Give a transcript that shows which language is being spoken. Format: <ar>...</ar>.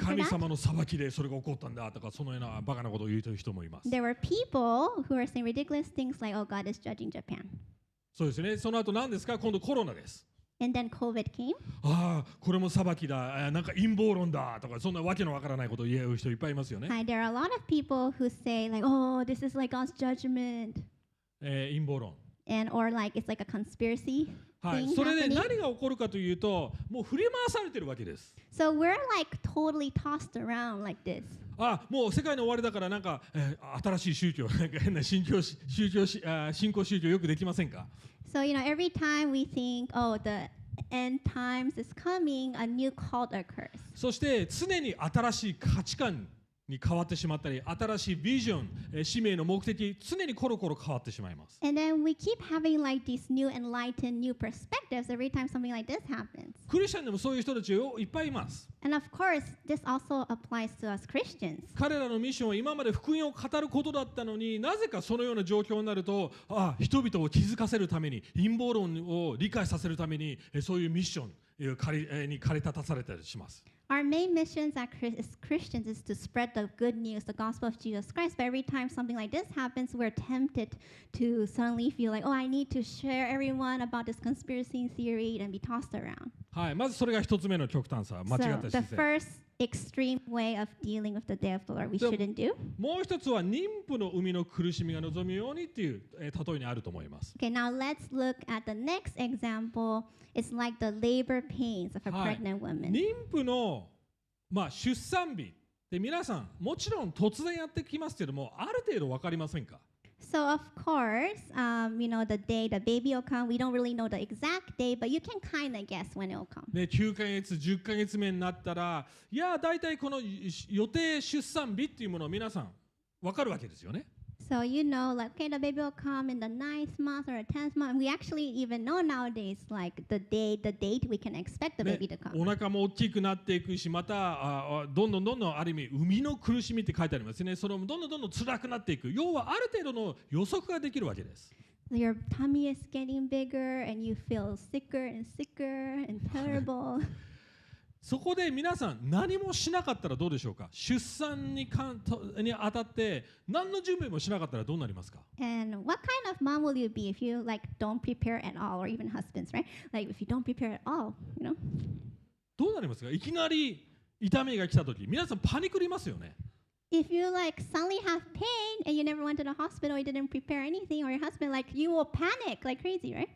<ja>神様の裁きでそれが起こったんだとかそのようなバカなことを言う人もいます。</ja> <en>There were people who were saying ridiculous things like, oh, God is judging Japan.</en> <ja>そうですね。その後何ですか？今度コロナです。</ja> <en>And then COVID came.</en> <ja>ああ、これも裁きだ。なんか陰謀論だとか、そんなわけのわからないことを言う人いっぱいいますよね。</ja> <en>Hi, there are a lot of people who say like, oh, this is like God's judgment.</en> <ja>陰謀論。</ja> <en>And or like it's like a conspiracy.</en> <ja>はい、それで何が起こるかというと、もう振り回されてるわけです。</ja> <en>So we're like totally tossed around like this.</en> <ja>ああ、もう世界の終わりだからなんか、新しい宗教、なんか変な信仰宗教よくできませんか？</ja> <en>So, you know, every time we think, oh, the end times is coming, a new cult occurs.</en> <ja>そして常に新しい価値観に変わってしまったり、新しいビジョン、使命の目的、常にコロコロ変わってしまいます。</ja> <en>And then we keep having like these new enlightened, new perspectives every time something like this happens.</en> <ja>クリスチャンでもそういう人たちいっぱいいます。</ja> <en>And of course, this also applies to us Christians.</en> <ja>彼らのミッションは今まで福音を語ることだったのに、なぜかそのような状況になると、ああ、人々を気づかせるために、陰謀論を理解させるために、そういうミッションに駆り立たされたりします。</ja> <en>Our main mission as Christians is to spread the good news, the gospel of Jesus Christ. But every time something like this happens, we're tempted to suddenly feel like, oh, I need to share everyone about this conspiracy theory and be tossed around.</en> <ja>はい、まずそれが一つ目の極端さ、間違った姿勢。</ja> <en>So the first extreme way of dealing with the day of the Lord we shouldn't do.</en> <ja>もう一つは妊婦の産みの苦しみが望むようにっていう例えにあると思います。</ja> <en>Okay, now let's look at the next example. It's like the labor pains of a pregnant woman.</en> <ja>妊婦の、まあ、出産日って皆さんもちろん突然やってきますけどもある程度わかりませんか？</ja> <en>So of course, you know, the day the baby will come, we don't really know the exact day, but you can kind of guess when it will come.</en> <ja>で、9ヶ月、10ヶ月目になったら、いや、だいたいこの予定出産日っていうものを皆さんわかるわけですよね。</ja> <en>So you know, like, okay, the baby will come in the ninth month or a tenth month. We actually even know nowadays, like, the date we can expect the baby to come.</en> <ja>お腹も大きくなっていくし、またどんどんどんどんある意味産みの苦しみって書いてありますね。それもどんどんどんどん辛くなっていく。要はある程度の予測ができるわけです。</ja> <en>Your tummy is getting bigger, and you feel sicker and sicker and terrible.</en> <ja>そこで皆さん何もしなかったらどうでしょうか？出産に当たって何の準備もしなかったらどうなりますか？</ja> <en>And what kind of mom will you be if you like don't prepare at all or even husbands, right? Like if you don't prepare at all, you know?</en> <ja>どうなりますか？いきなり痛みが来た時、皆さんパニクりますよね。</ja> <en>If you like suddenly have pain and you never went to the hospital, you didn't prepare anything, or your husband, like you will panic like crazy, right?</en>